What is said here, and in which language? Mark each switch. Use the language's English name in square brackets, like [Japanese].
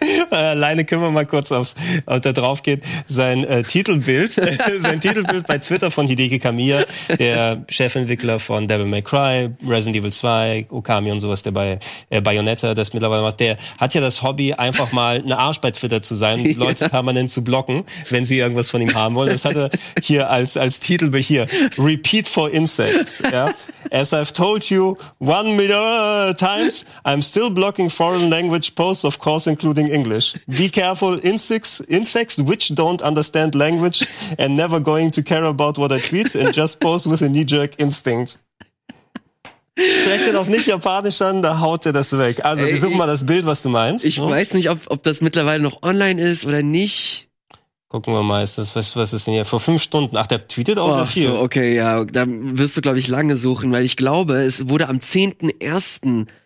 [German] Alleine können wir mal kurz aufs auf da drauf gehen. Sein Titelbild, sein Titelbild bei Twitter von Hideki Kamiya, der Chefentwickler von Devil May Cry, Resident Evil 2, Okami und sowas, der bei Bayonetta das mittlerweile macht, der hat ja das Hobby, einfach mal eine Arsch bei Twitter zu sein und Leute permanent zu blocken, wenn sie irgendwas von ihm haben wollen. Das hat er hier als Titelbild hier. [English] Repeat for insects. Ja? As I've told you 1 million times, I'm still blocking foreign language posts, of course, including English. Be careful, insects which don't understand language and never going to care about what I tweet and just post with a knee-jerk instinct. [German] Sprecht er auf nicht Japanisch an, da haut er das weg. Also, wir suchen mal das Bild, was du meinst. Ich weiß nicht, ob das mittlerweile noch online ist oder nicht. Gucken wir mal, was ist denn hier? Vor 5 Stunden. Ach, der tweetet auch noch hier. So, okay, ja, da wirst du, glaube ich, lange suchen, weil ich glaube, es wurde am 10.01.